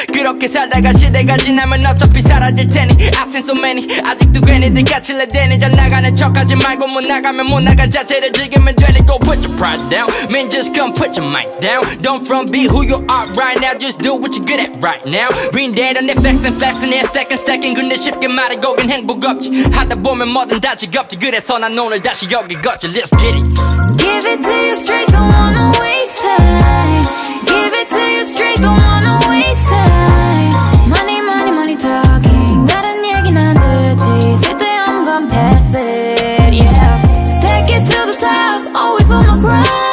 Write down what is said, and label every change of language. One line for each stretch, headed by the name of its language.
Korean: 그렇게 살다가 시대가 지나면 어차피 사라질 테니.
English: I've seen so many.
Korean: 아직도 괜히 네 가치를 대니. 잘 나가는 척하지 말고 못 나가면 못 나간 자체를 즐기면 되니.
English: Go put your pride down. Man just come put your mic down. Don't front be who you are right now. Just do what you're good at right now. Been dead on the flexing, flexing, yeah. Stacking, stacking.
Korean: 근데 쉽게 말해, 거긴 행복없지. 하다 보면 뭐든 다 지겹지. 그래서 난 오늘 다시 여기 걷지.
English: Let's get it. Give it to you straight, don't wanna waste time. Give it to you straight, don't wanna waste time. Money, money, money talking.
Korean: 다른 얘기는 안 되지. 쓸데없는 건
English: pass it, yeah. Stack it to the top, always on my grind.